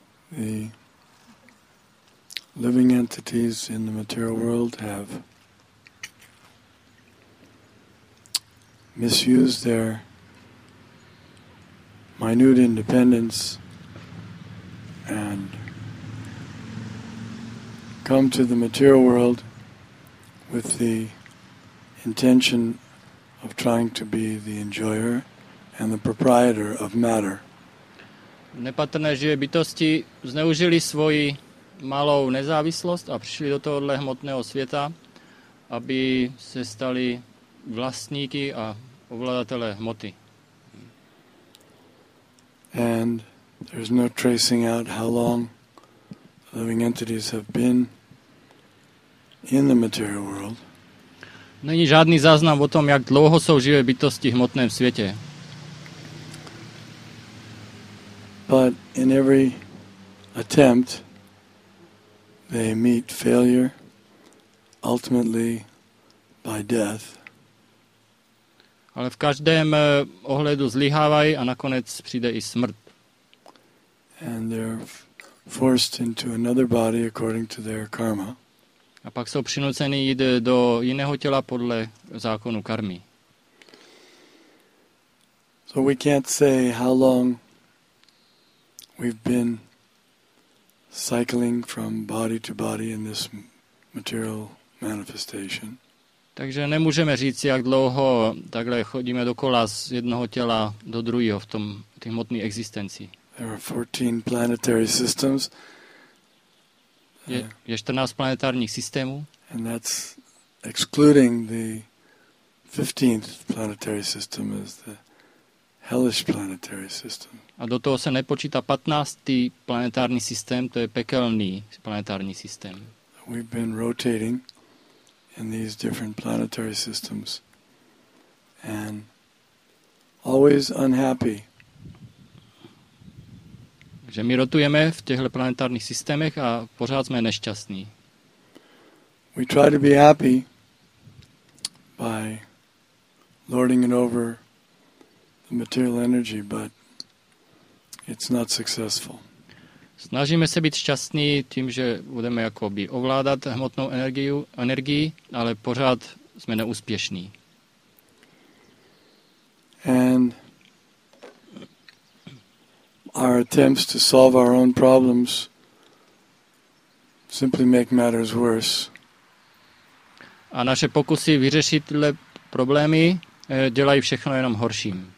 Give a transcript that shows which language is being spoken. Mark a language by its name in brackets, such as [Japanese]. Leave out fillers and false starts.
[English] The living entities in the material world have misused their minute independence and come to the material world with the intention of trying to be the enjoyer and the proprietor of matter. [Czech] Nepatrné živé bytosti zneužili svoji malou nezávislost a přišli do tohohle hmotného světa, aby se stali vlastníky a ovladatele hmoty. [English] And there's no tracing out how long living entities have been in the material world. [Czech] Není žádný záznam o tom, jak dlouho jsou živé bytosti v hmotném světě. [English] But in every attempt they meet failure ultimately by death. [Czech] Ale v každém ohledu zlyhávají a nakonec přijde i smrt. [English] And they're forced into another body according to their karma. [Czech] A pak jsou přinuceni jít do jiného těla podle zákonu karmy. [English] So we can't say how long we've been cycling from body to body in this material manifestation. [Czech] Takže nemůžeme říct, jak dlouho takhle chodíme dokola z jednoho těla do druhého v tom hmotné existenci. [English] There are 14 planetary systems. [Czech] Je 14 planetárních systémů. [English] And that's excluding the 15th planetary system is the hellish planetary system. [Czech] A do toho se nepočítá 15. planetární systém, to je pekelný planetární systém. [English] We've been rotating in these different planetary systems and always unhappy. [Czech] Že my rotujeme v těchto planetárních systémech a pořád jsme nešťastní. [English] We try to be happy by lording it over the material energy, but it's not successful. [Czech] Snažíme se být šťastní tím, že budeme jakoby ovládat hmotnou energii, ale pořád jsme neúspěšní. [English] And our attempts to solve our own problems simply make matters worse. [Czech] A naše pokusy vyřešit tyhle problémy dělají všechno jenom horším.